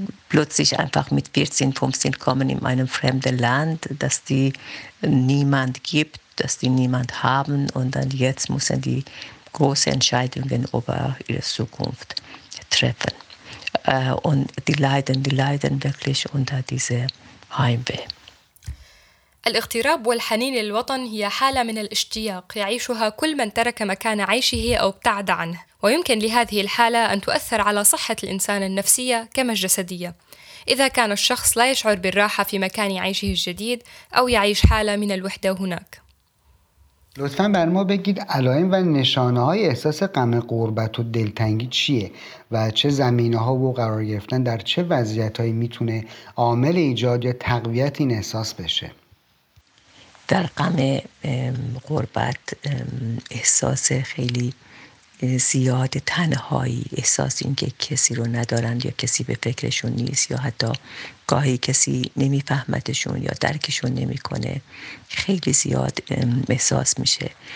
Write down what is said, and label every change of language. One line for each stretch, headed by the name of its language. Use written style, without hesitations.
German: plötzlich einfach mit 14, 15 kommen in einem fremden Land, dass die niemand gibt, dass die niemand haben, und dann jetzt müssen die große Entscheidungen über ihre Zukunft treffen. Und die leiden wirklich unter dieser Heimweh.
Arabic: الاغتراب والحنين للوطن هي حالة من الاشتياق يعيشها كل من ترك مكان عيشه أو ابتعد عنه، ويمكن لهذه الحالة أن تؤثر على صحة الإنسان النفسية كما الجسدية. إذا كان الشخص لا يشعر بالراحة في مكان عيشه الجديد أو يعيش حالة من الوحدة هناك.
Persian: لطفاً بر ما بگید علائم و نشانه‌های احساس غم غربت و دلتنگی چیه و چه زمینه‌ها و قرار گرفتن در چه وضعیت‌هایی میتونه عامل ایجاد یا تقویت این احساس بشه؟ در غم غربت احساس خیلی زیاد تنهایی، احساس اینکه کسی رو ندارن یا کسی به فکرشون نیست یا حتی گاهی کسی نمیفهمتشون یا درکشون نمیکنه، خیلی زیاد احساس میشه.